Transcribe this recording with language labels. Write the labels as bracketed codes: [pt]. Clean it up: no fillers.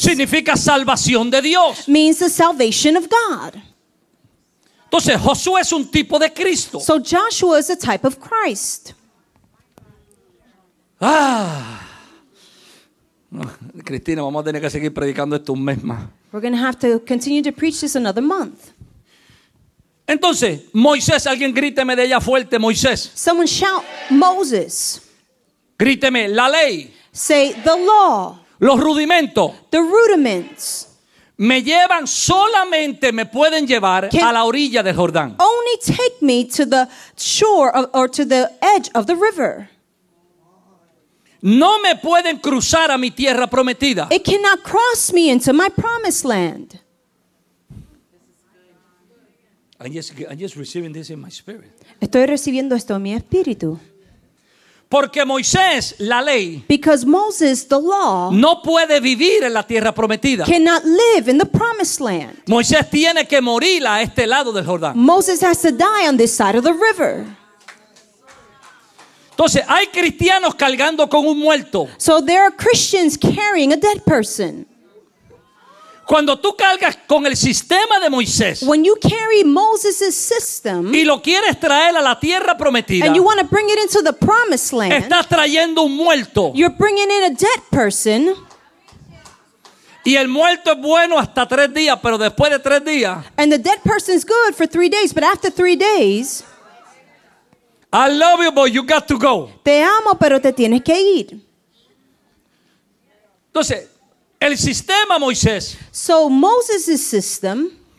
[es] significa salvación de Dios, [en] means the salvation of God. [es] Entonces Josué es un tipo de Cristo. [en] So Joshua is a type of Christ. [es] Cristina, vamos a tener que seguir predicando esto un mes más. [en] We're going to have to continue to preach this another month. [es] Entonces, Moisés, alguien gríteme de allá fuerte, Moisés. [en] Someone shout, Moses. [es] Gríteme, la ley. [en] Say, the law. [es] Los rudimentos. [en] The rudiments. [es] Me llevan solamente, me pueden llevar a la orilla del Jordán. [en] Only take me to the shore of, or to the edge of the river. [es] No me pueden cruzar a mi tierra prometida. [en] It cannot cross me into my promised land. I'm just receiving this in my spirit. [es] Estoy recibiendo esto en mi espíritu. Porque Moisés, la ley, [en] because Moses, the law, [es] no puede vivir en la tierra prometida. [en] Cannot live in the promised land. [es] Moisés tiene que morir a este lado del Jordán. [en] Moses has to die on this side of the river. [es] Entonces, hay cristianos cargando con un muerto. [en] So there are Christians carrying a dead person. [es] Cuando tú cargas con el sistema de Moisés, [en] when you carry Moses' system, [es] y lo quieres traer a la tierra prometida, [en] and you want to bring it into the promised land, [es] estás trayendo un muerto. [en] You're bringing in a dead person. [es] Y el muerto es bueno hasta tres días, pero después de tres días, [en] and the dead person is good for 3 days, but after 3 days, I love you, but you got to go. [es] Te amo, pero te tienes que ir. Entonces, el sistema Moisés. [en] So Moses' system.